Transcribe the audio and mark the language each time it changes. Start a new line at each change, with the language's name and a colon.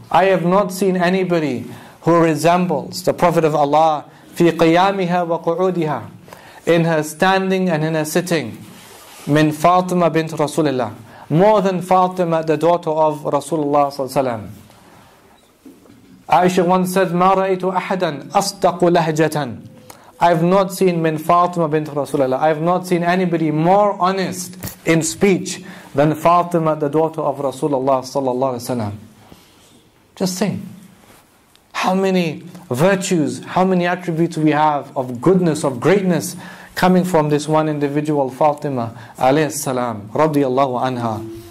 English: I have not seen anybody who resembles the Prophet of Allah
Arabic: في قيامها وقعودها,
English: in her standing and in her sitting,
Arabic: من فاطمة بنت رسول الله,
English: more than Fatima, the daughter of Rasulullah sallallahu. Aisha once said,
Arabic: مَا رَأَيْتُ أَحَدًا أَصْدَقُ لَهْجَةً.
English: I've not seen min Fatima bint Rasulullah. I've not seen anybody more honest in speech than Fatima, the daughter of Rasulullah sallallahu alaihi wasallam. Just think, how many virtues, how many attributes we have of goodness, of greatness, coming from this one individual, Fatima alayhi salam, radiyallahu anha.